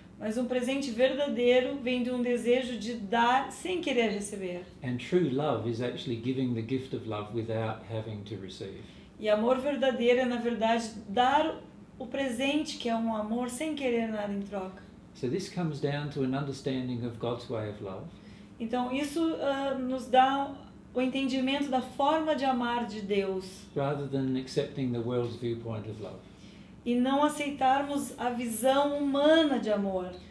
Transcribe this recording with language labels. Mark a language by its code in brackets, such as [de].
[pt] Mas um presente verdadeiro vem de um desejo de dar sem querer receber. [en] And true love is actually giving the gift of love without having to receive. [pt] E amor verdadeiro é, na verdade, dar o presente, que é um amor, sem querer nada em troca. [en] So this comes down to an understanding of God's way of love. [pt] Então isso nos dá o entendimento da forma de amar de Deus. [en] Rather than accepting the world's viewpoint of love. [pt] E não aceitarmos a visão humana de amor.